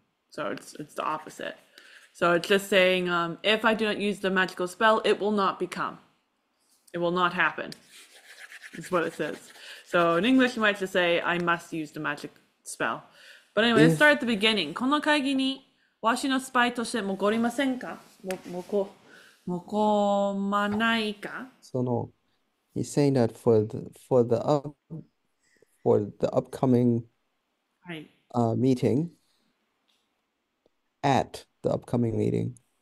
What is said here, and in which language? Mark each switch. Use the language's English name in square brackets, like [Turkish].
[English] So it's the opposite. So it's just saying if I do not use the magical spell, it will not become. It will not happen. That's what it says. So in English, you might just say I must use the magic spell. But anyway, let's start at the beginning. [Japanese] この会議に わしのスパイとして残りませんか？残まないか？その、 [English] he's saying that for the upcoming meeting, at the upcoming meeting,